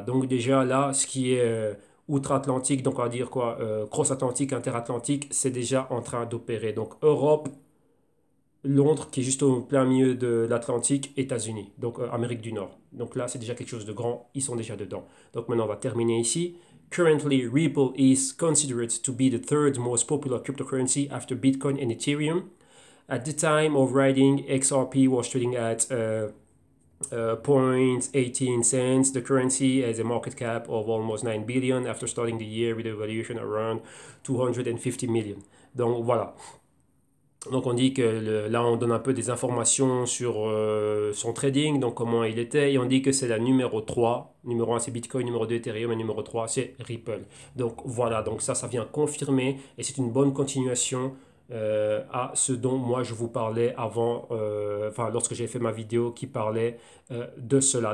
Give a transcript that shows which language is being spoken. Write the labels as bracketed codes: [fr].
[fr] Donc déjà là ce qui est outre-Atlantique, donc on va dire quoi, cross-Atlantique, inter-Atlantique, c'est déjà en train d'opérer. Donc Europe, Londres qui est juste au plein milieu de l'Atlantique, États-Unis, donc Amérique du Nord. Donc là c'est déjà quelque chose de grand, ils sont déjà dedans. Donc maintenant on va terminer ici. [en] Currently, Ripple is considered to be the third most popular cryptocurrency after Bitcoin and Ethereum. At the time of writing, XRP was trading at 0.18 cents. The currency has a market cap of almost 9 billion after starting the year with a valuation around 250 million. [fr] Donc voilà. Donc on dit que là on donne un peu des informations sur son trading, donc comment il était, et on dit que c'est la numéro 3, numéro 1 c'est Bitcoin, numéro 2 Ethereum, et numéro 3 c'est Ripple. Donc voilà, donc ça vient confirmer, et c'est une bonne continuation à ce dont moi je vous parlais avant, enfin lorsque j'ai fait ma vidéo qui parlait de cela.